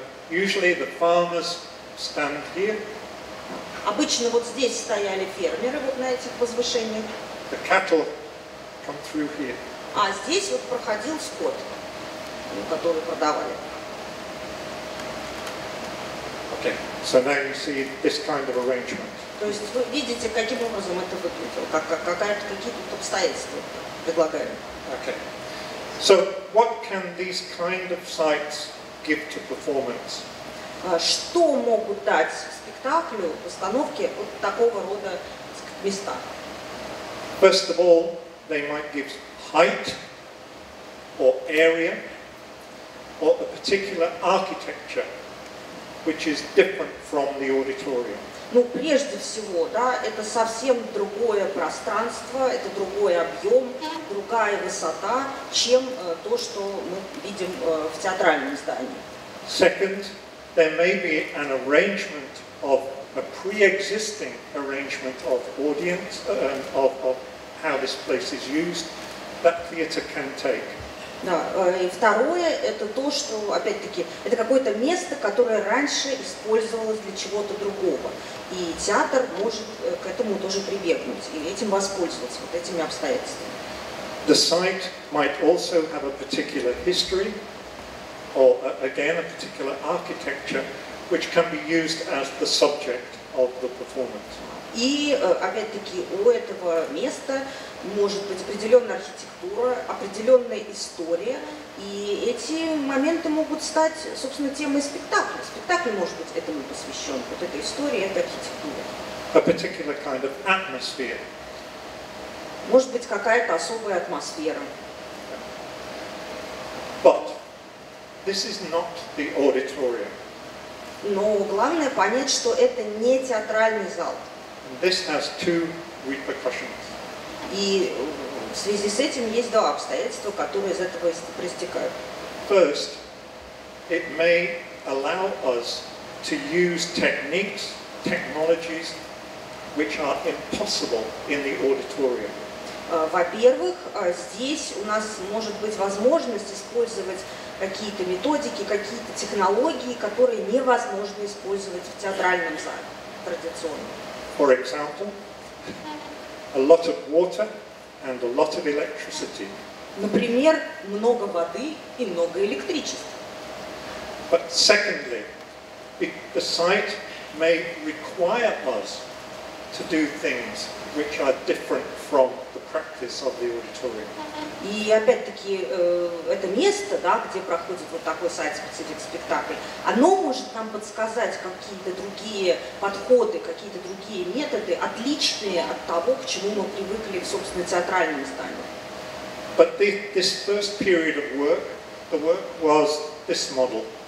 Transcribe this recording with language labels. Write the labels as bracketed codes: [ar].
[en] Usually the farmers stand here. [ru] Обычно вот здесь стояли фермеры, вот на этих возвышениях. [en] The cattle come through here. [ru] А здесь вот проходил скот, который продавали. [en] Okay. So now you see this kind of arrangement. [ru] То есть вы видите, каким образом это выглядело, какие тут обстоятельства. [en] Okay. So, what can these kind of sites give to performance? [ru] Что могут дать спектаклю, постановке вот такого рода места? [en] First of all, they might give height. or area, or a particular architecture, which is different from the auditorium. [ru] Ну, прежде всего, да, это совсем другое пространство, это другой объем, другая высота, чем то, что мы видим в театральном здании. [en] Second, there may be an arrangement of a pre-existing arrangement of audience, of how this place is used, that theater can take. [ru] Да, и второе, это то, что, опять-таки, это какое-то место, которое раньше использовалось для чего-то другого. И театр может к этому тоже прибегнуть, и этим воспользоваться, вот этими обстоятельствами. [en] The site might also have a particular history, or again, a particular architecture, which can be used as the subject of the performance. [ru] И, опять-таки, у этого места может быть определенная архитектура, определенная история, и эти моменты могут стать, собственно, темой спектакля. Спектакль может быть этому посвящен, вот этой истории, этой архитектуре. [en] A particular kind of atmosphere. [ru] Может быть, какая-то особая атмосфера. [en] But this is not the auditorium. [ru] Но главное понять, что это не театральный зал. [en] This has two repercussions. [ru] И в связи с этим есть два обстоятельства, которые из этого проистекают. [en] First, it may allow us to use techniques, technologies, which are impossible in the auditorium. [ru] Во-первых, здесь у нас может быть возможность использовать какие-то методики, какие-то технологии, которые невозможно использовать в театральном зале традиционно. [en] For example, a lot of water and a lot of electricity. [ru] Например, много воды и много электричества. [en] But secondly, the site may require us to do things which are different from the practice of the auditorium. [ru] И опять-таки, это место, да, где проходит вот такой сайт-специфик спектакль, оно может нам подсказать какие-то другие подходы, какие-то другие методы, отличные от того, к чему мы привыкли в, собственно, театральном здании. [en] But this first period of work, the work was this model.